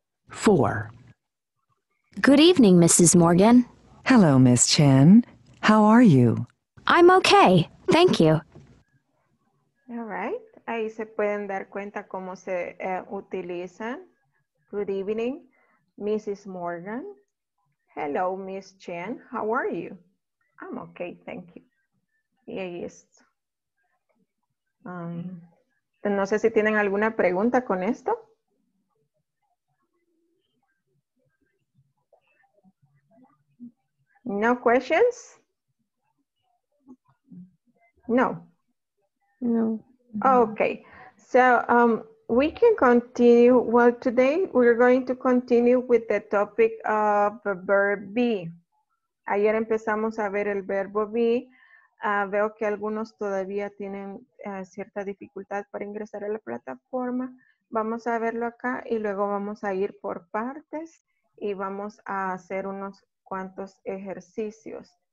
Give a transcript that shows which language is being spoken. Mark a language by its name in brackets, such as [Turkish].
[English] 4. Good evening, Mrs. Morgan. Hello, Miss Chen. How are you? I'm okay. Thank you. All right. [Spanish] Ahí se pueden dar cuenta cómo se utilizan. [English] Good evening, Mrs. Morgan. Hello, Miss Chen. How are you? I'm okay, thank you. [Spanish] Y ahí es No sé si tienen alguna pregunta con esto. [English] No questions? No. No. Okay. So we can continue. Well, today we're going to continue with the topic of the verb be. [Spanish] Ayer empezamos a ver el verbo be. Veo que algunos todavía tienen cierta dificultad para ingresar a la plataforma. Vamos a verlo acá y luego vamos a ir por partes y vamos a hacer unos cuantos ejercicios.